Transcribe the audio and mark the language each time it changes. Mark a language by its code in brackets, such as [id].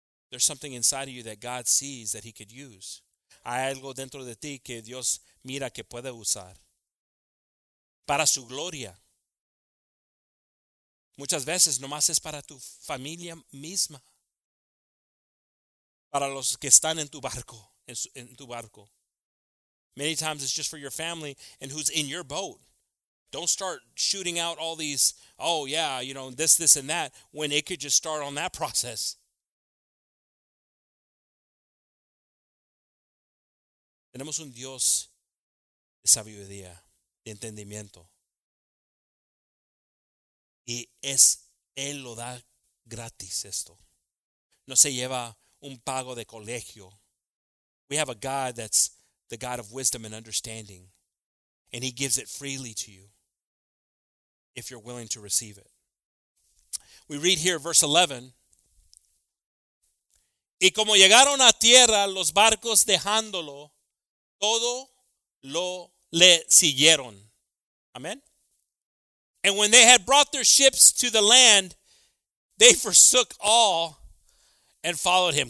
[en] There's something inside of you that God sees that he could use. [es] Hay algo dentro de ti que Dios mira que puede usar para su gloria. Muchas veces nomás es para tu familia misma. Para los que están en tu barco. [en] Many times it's just for your family and who's in your boat. Don't start shooting out all these, oh yeah, you know, this and that, when it could just start on that process. [es] Tenemos un Dios de sabiduría, de entendimiento. Y es Él lo da gratis esto. no se lleva un pago de colegio. [en] We have a God that's the God of wisdom and understanding, and he gives it freely to you if you're willing to receive it. We read here verse 11. [es] Y como llegaron a tierra, los barcos dejándolo, todo lo le siguieron. Amen. [en] And when they had brought their ships to the land, they forsook all and followed him.